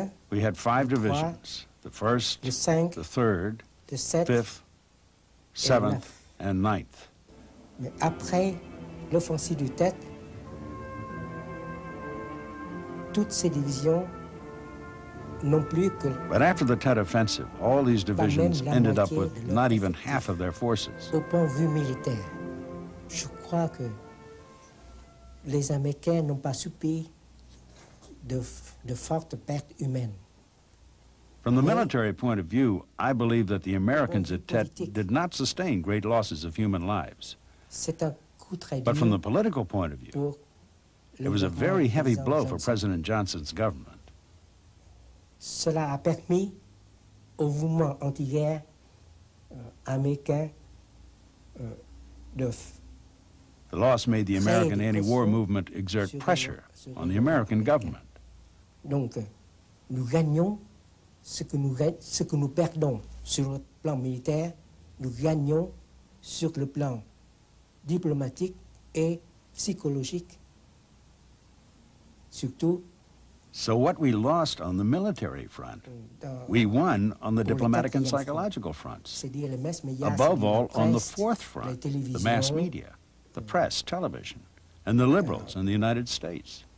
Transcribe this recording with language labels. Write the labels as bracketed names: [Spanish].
[English] We had five divisions, the first, the third, the fifth, seventh, and ninth. [French] Mais après l'offensive du Tet, toutes ces divisions n'ont plus que. [English] But after the Tet offensive, all these divisions ended up with not even half of their forces. [French] Au point de vue militaire, je crois que les Américains n'ont pas soupé de fortes pertes humaines. [English] From the military point of view, I believe that the Americans at Tet did not sustain great losses of human lives. [French] C'est un coup très dur. [English] But from the political point of view, it was a very heavy blow for President Johnson's government. [French] Cela a permis au mouvement anti-guerre américain de. [English] The loss made the American anti-war movement exert pressure on the American government. [French] Donc, nous gagnons ce que nous perdons sur le plan militaire, nous gagnons sur le plan diplomatique et psychologique. [English] So what we lost on the military front, we won on the diplomatic and psychological fronts. Above all, on the fourth front, the mass media, the press, television, and the liberals in the United States.